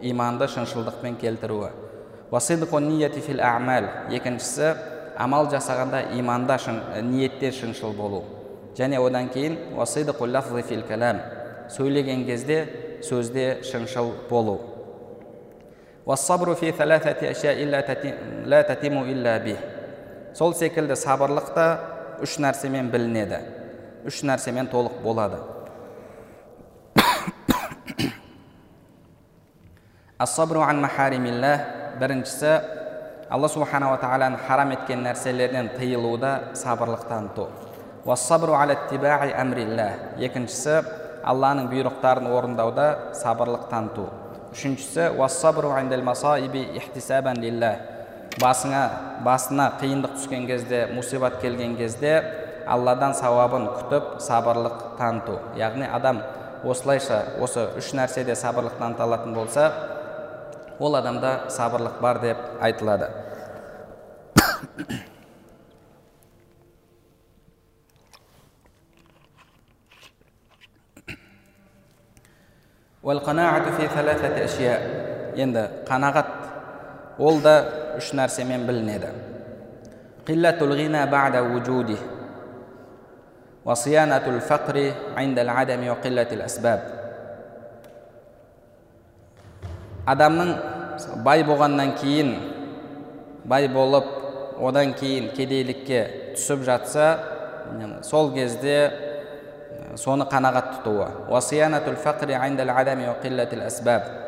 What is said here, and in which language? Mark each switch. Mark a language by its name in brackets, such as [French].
[Kazakh] Иманды шыншылдықпен келтіруі. [Arabic] Ва сидқун ниети філ а'мал. [Kazakh] Екіншісі, амал жасағанда иманда ниетте шыншыл болу. Және одан кейін, [Arabic] ва сидқул лафзи філ калам. [Kazakh] Сөйлеген кезде сөзде шыншыл болу. [Arabic] والصبر في ثلاثه اشياء لا تتم الا به. [Kazakh] Сол секілді сабырлық та үш нәрсемен білінеді. Үш нәрсемен толық болады. [Arabic] الصبر عن محارم الله. [Kazakh] Біріншісі, Алла [Arabic] субханаһу ва тааланы [Kazakh] харам еткен нәрселерден тыйылуда сабырлық таныту. [Arabic] والصبر على اتباع امر الله. [Kazakh] Екіншісі, Алланың бұйрықтарын орындауда сабырлық таныту. Үшіншісі, [Arabic] «Вассабру әндел масаиби ихтисабан лилла». [Kazakh] Басына қиындық түскен кезде, мусибат келген кезде, Алладан сауабын күтіп, сабырлық таныту. Яғни адам осылайша, осы үш нәрседе сабырлық таныталатын болса, ол адамда сабырлық бар деп айтылады. [Arabic] والقناعة في ثلاثة أشياء. [Kazakh] Енді қанағат ол да үш нәрсемен білінеді. [Arabic] قلة الغنى بعد وجوده. وصيانة الفقر عند العدم وقلة الأسباب. [Kazakh] Адамның бай болғаннан кейін, бай болып, одан кейін кедейлікке түсіп жатса, сол кезде соны қанағат тұтуы. [Arabic] وَصِيَانَةُ الْفَقْرِ عَنْدَ الْعَدَمِ وَقِلَّةِ الْأَسْبَابِ.